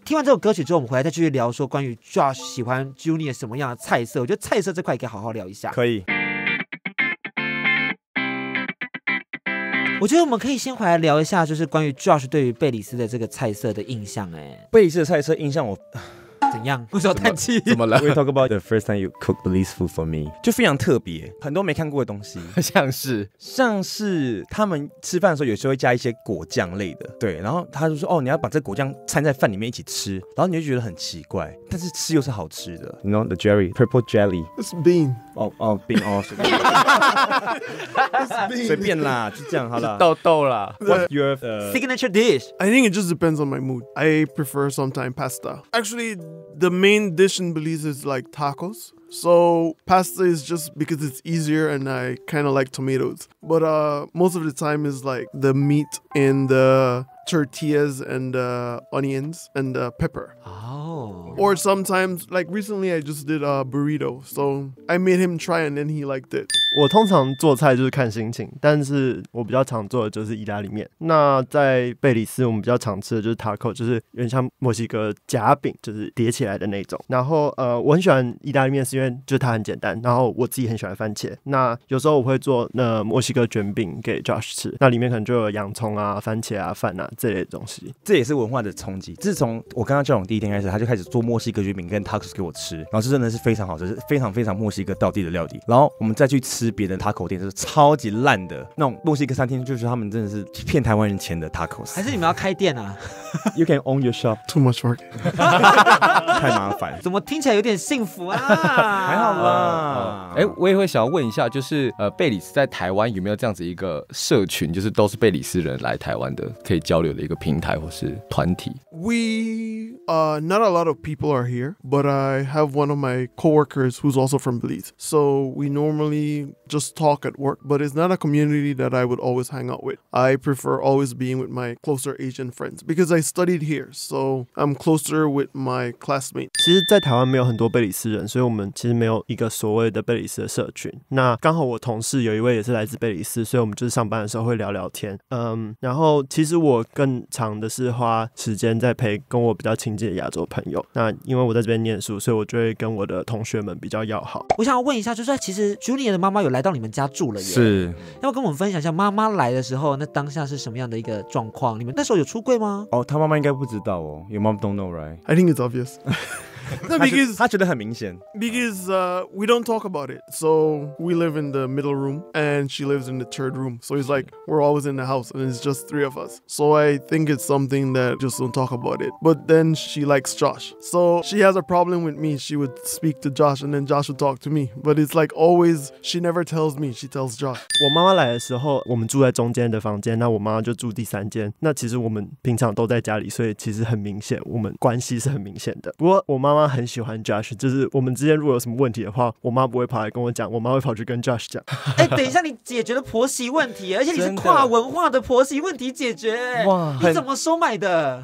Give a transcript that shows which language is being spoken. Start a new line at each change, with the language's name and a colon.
Chinese: 听完这首歌曲之后，我们回来再继续聊说关于 Josh 喜欢 Junior 什么样的菜色。我觉得菜色这块可以好好聊一下。可以。我觉得我们可以先回来聊一下，就是关于 Josh 对于贝里斯的这个菜色的印象。哎，贝里斯的菜色印象我。怎样？为什么叹气？怎么了
English: ？We talk about the first time you cooked the least food for me，
Chinese: 就非常特别，很多没看过的东西，像是他们吃饭的时候有时候会加一些果酱类的，对，然后他就说哦，你要把这果酱掺在饭里面一起吃，然后你就觉得很奇怪，但是吃又是好吃的。
English: You know the jelly, purple jelly. It's bean. Oh, bean. Oh,
Chinese: 随便啦，就这样好了。豆豆啦。
English: What's your signature dish? I think it just depends on my mood. I prefer sometimes pasta. Actually, the main dish in Belize is like tacos. So pasta is just because it's easier and I kind of like tomatoes. But most of the time is like the meat and the tortillas and the onions and the pepper. Oh. Or sometimes, like recently I just did a burrito. So I made him try and then he liked it.
Chinese: 我通常做菜就是看心情，但是我比较常做的就是意大利面。那在贝里斯我们比较常吃的就是 taco， 就是有点像墨西哥夹饼，就是叠起来的那种。然后我很喜欢意大利面是因为就是它很简单，然后我自己很喜欢番茄。那有时候我会做那墨西哥卷饼给 Josh 吃，那里面可能就有洋葱啊、番茄啊、饭啊这类的东西。这也是文化的冲击。自从我刚刚交往第一天开始，他就开始做墨西哥卷饼跟 tacos 给我吃，然后这真的是非常好吃，是非常非常墨西哥道地的料理。然后我们再去吃别人的 taco 店是超级烂的，那种墨西哥餐厅就是他们真的是骗台湾人钱的 tacos。还是你们要开店啊？
English: You can own your shop. Too much work.
Chinese: 太麻烦。怎么听起来有点幸福啊？还好吧。我也会想要问一下，就是贝里斯在台湾有没有这样子一个社群，就是都是贝里斯人来台湾的，可以交流的一个平台或是团体
English: ？We not a lot of people are here, but I have one of my coworkers who's also from Belize. So we normally just talk at work, but it's not a community that I would always hang out with. I prefer always being with my closer Asian friends because I studied here, so I'm closer with my classmates.
Chinese: 其实在台湾没有很多贝里斯人，所以我们其实没有一个所谓的贝里斯的社群。那刚好我同事有一位也是来自贝里斯，所以我们就是上班的时候会聊聊天。然后其实我更长的是花时间在陪跟我比较亲近的亚洲朋友。那因为我在这边念书，所以我就会跟我的同学们比较要好。我想要问一下，就是其实 Julian 的妈妈有来到你们家住了耶，是要跟我们分享一下妈妈来的时候那当下是什么样的一个状况？你们那时候有出柜吗？哦，他妈妈应该不知道哦。
English: Your mom don't know, right? I think it's obvious. No, because
Chinese: 他觉得很明显。
English: Because we don't talk about it, so we live in the middle room and she lives in the third room. So it's like we're always in the house and it's just three of us. So I think it's something that just don't talk about it. But then she likes Josh, so she has a problem with me. She would speak to Josh and then Josh would talk to me. But it's like always she never tells me. She tells Josh.
Chinese: 我妈妈来的时候，我们住在中间的房间，那我妈妈就住第三间。那其实我们平常都在家里，所以其实很明显，我们关系是很明显的。不过我妈妈很喜欢 Josh， 就是我们之间如果有什么问题的话，我妈不会跑来跟我讲，我妈会跑去跟 Josh 讲。哎，等一下，你解决了婆媳问题，而且你是跨文化的婆媳问题解决，哇，你怎么收买的？